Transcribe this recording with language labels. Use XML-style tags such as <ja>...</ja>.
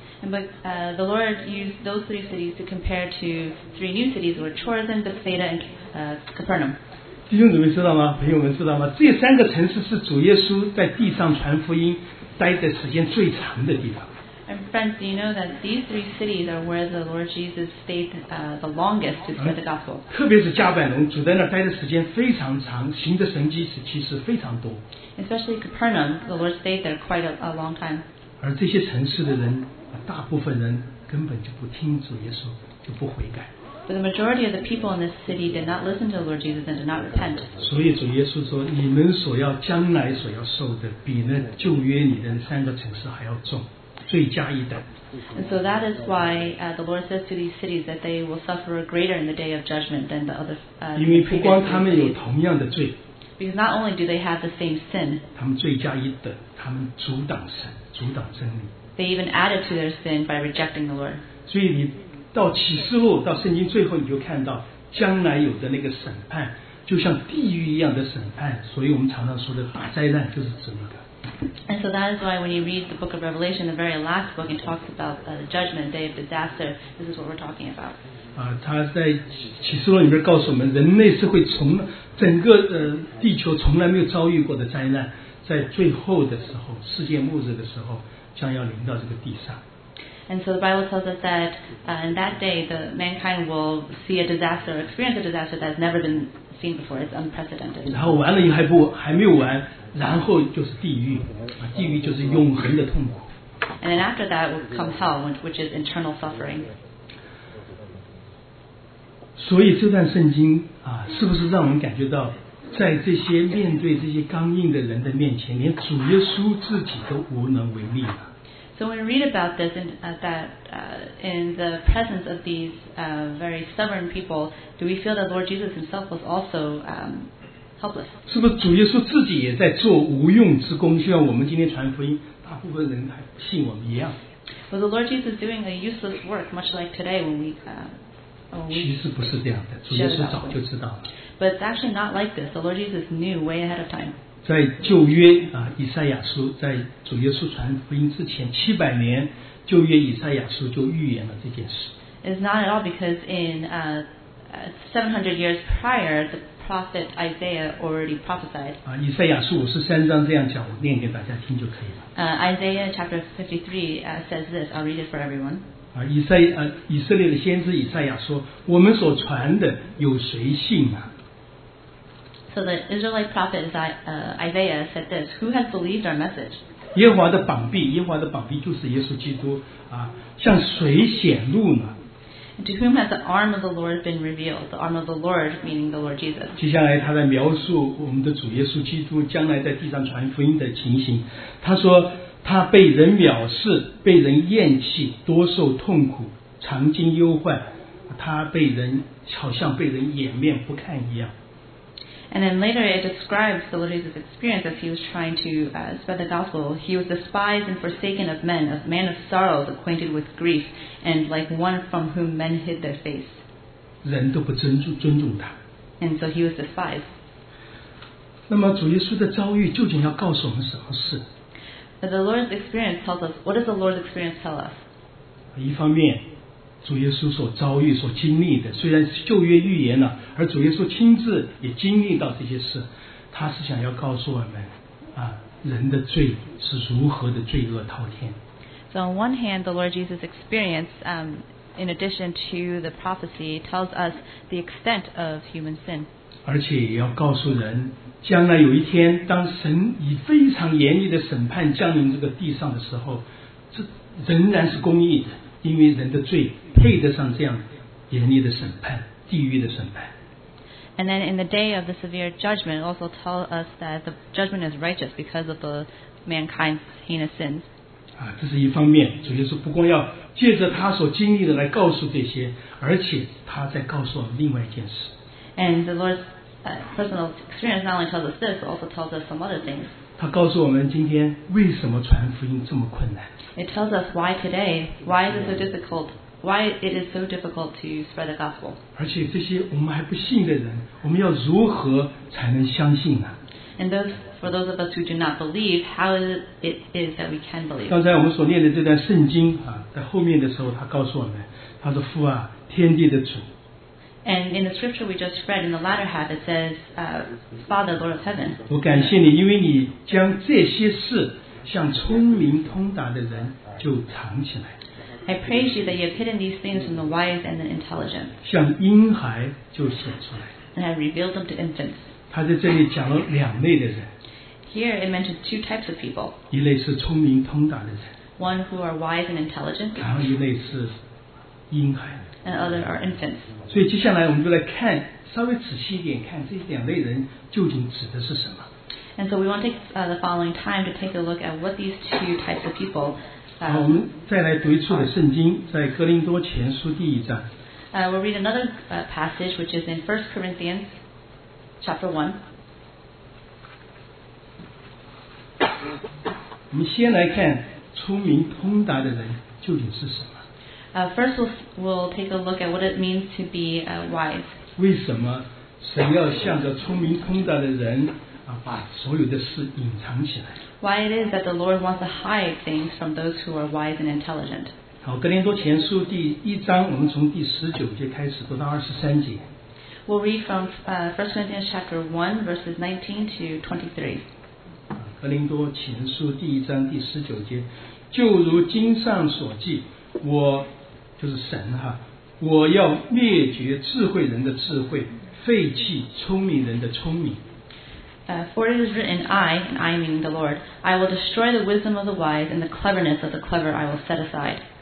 <en>But the Lord used those three cities to compare to three new cities, which were Chorazin, Bethsaida, and Capernaum.</en> <zh>弟兄姊妹知道吗？朋友们知道吗？这三个城市是主耶稣在地上传福音待的时间最长的地方。</zh> <en>And friends, do you know that these three cities are where the Lord Jesus stayed the longest to spread the gospel?</en> <zh>特别是加百农，主在那待的时间非常长，行的神迹其实非常多。</zh> <en>Especially Capernaum, the Lord stayed there quite a long time.</en> <zh>而这些城市的人。大部分人根本就不听主耶稣，就不悔改。</zh> <en>But the majority of the people in this city did not listen to the Lord Jesus and did not repent.</en> <zh>所以主耶稣说，你们所要将来所要受的，比那旧约里的三个城市还要重，罪加一等。</zh> <en>And so that is why the Lord says to these cities that they will suffer greater in the day of judgment than the other.</en> <zh>因为不光他们有同样的罪。</zh> <en>Because not only do they have the same sin.</en> <zh>他们罪加一等，他们阻挡神，阻挡真理。</zh> <en>They even added to their sin by rejecting the Lord.</en> <zh>所以你到启示录到圣经最后，你就看到将来有的那个审判，就像地狱一样的审判。所以我们常常说的大灾难就是指那个。</zh> <en>And so that is why when you read the book of Revelation, the very last book, it talks about the judgment day of disaster. This is what we're talking about.</en> <zh>他在启示录里面告诉我们，人类是会从整个地球从来没有遭遇过的灾难，在最后的时候，世界末日的时候。将要临到这个地上。</zh> <en>And so the Bible tells us that in that day, the mankind will see a disaster, experience a disaster that has never been seen before. It's unprecedented.</en> <zh>然后完了以后还没有完，然后就是地狱，地狱就是永恒的痛苦。</zh> <en>And then after that will come hell, which is internal suffering.</en> <zh>所以这段圣经是不是让我们感觉到？在这些面对这些刚硬的人的面前，连主耶稣自己都无能为力了。</zh> <en>So when we read about this, in, that in the presence of these very stubborn people, do we feel that Lord Jesus Himself was also helpless?</en> <zh>是不是主耶稣自己也在做无用之功？就像我们今天传福音，大部分人还不信我们一样。</zh> <en>Was the Lord Jesus doing a useless work, much like today when we?</en> <zh>其实不是这样的，主耶稣早就知道了。</zh> <en>But it's actually not like this. The Lord Jesus knew way ahead of time.</en> <zh>在旧约以赛亚书在主耶稣传福音之前七百年，旧约以赛亚书就预言了这件事。</zh> <en>It's not at all because in 700 years prior, the prophet Isaiah already prophesied.</en> <zh>以赛亚书五十三章这样讲，我念给大家听就可以了。</zh> <en>Isaiah chapter 53 says this. I'll read it for everyone.</en> <zh>以色列的先知以赛亚说：“我们所传的有谁信啊？”</zh> <en>So the Israelite prophet Isaiah said this, Who has believed our message?</en> <zh>耶和华的膀臂，耶和华的膀臂就是耶稣基督啊，向谁显露呢？</zh> <en>And to whom has the arm of the Lord been revealed? The arm of the Lord, meaning the Lord Jesus.</en> <zh>接下来他在描述我们的主耶稣基督将来在地上传福音的情形。他说他被人藐视，被人厌弃，多受痛苦，常经忧患。他被人好像被人掩面不看一样。</zh> <en>And then later it describes the Lord Jesus' experience as he was trying to spread the gospel. He was despised and forsaken of men, a man of sorrows, acquainted with grief, and like one from whom men hid their face.</en> <zh>人都不尊重他。</zh> <en>And so he was despised.</en> <zh>那么主耶稣的遭遇究竟要告诉我们什么事？</zh> <en>But the Lord's experience tells us, what does the Lord's experience tell us?</en> <zh>一方面主耶稣所遭遇所经历的虽然是旧约预言了而主耶稣亲自也经历到这些事他是想要告诉我们人的罪是如何的罪恶滔天</zh> <en>So on one hand the Lord Jesus experience in addition to the prophecy tells us the extent of human sin</en> <zh>而且也要告诉人将来有一天当神以非常严厉的审判降临这个地上的时候这仍然是公义的因为人的罪配得上这样严厉的审判地狱的审判</zh> <en>And then in the day of the severe judgment, it also tells us that the judgment is righteous because of the mankind's heinous sins.</en> <zh>啊，这是一方面，主耶稣不光要借着他所经历的来告诉这些，而且他在告诉我们另外一件事。</zh> <en>And the Lord's personal experience not only tells us this, but also tells us some other things.</en> <zh>他告诉我们今天为什么传福音这么困难。</zh> <en>It tells us why today, why is it so difficult, why it is so difficult to spread the gospel.</en> <zh>而且这些我们还不信的人，我们要如何才能相信呢？</zh> <en>And those, for those of us who do not believe, how is it is that we can believe?</en> <zh>刚才我们所念的这段圣经啊，在后面的时候，他告诉我们，他说：“父啊，天地的主。”</zh> <en>And in the scripture we just read, in the latter half, it says, "Father, Lord of heaven."</en> <zh>我感谢你，因为你将这些事向聪明通达的人就藏起来。</zh> <en>I praise you that you have hidden these things from the wise and the intelligent.</en> <zh>向婴孩就显出来。</zh> <en>And have revealed them to infants.</en> <zh>他在这里讲了两类的人。</zh> <en>Here it mentions two types of people.</en> <zh>一类是聪明通达的人。</zh> <en>One who are wise and intelligent.</en> <zh>然后一类是婴孩。</zh> <en>And other are infants.</en> <zh>所以接下来我们就来看，稍微仔细一点看这两类人究竟指的是什么。</zh> <en>And so we want to take the following time to take a look at what these two types of people.</en> <zh>好，我们再来读一处的圣经，在哥林多前书第一章。</zh> <en>We'll read another passage, which is in 1 Corinthians, chapter 1.</en> <zh>我们先来看聪明通达的人究竟是什么。</zh> <en>First, we'll take a look at what it means to be wise.</en> <zh>为什么神要向着聪明通达的人？把所有的事隐藏起来。</zh> <en>Why it is that the Lord wants to hide things from those who are wise and intelligent?</en> <zh>好，哥林多前书第一章，我们从第十九节开始读到二十三节。</zh> <en>We'll read from First Corinthians chapter 1 verses 19 to 23.</en> <zh>哥林多前书第一章第十九节，就如经上所记，我就是神哈，我要灭绝智慧人的智慧，废弃聪明人的聪明。</zh> <en>For it is written, I, and I mean the Lord, I will destroy the wisdom of the wise, and the cleverness of the clever I will set aside.</en>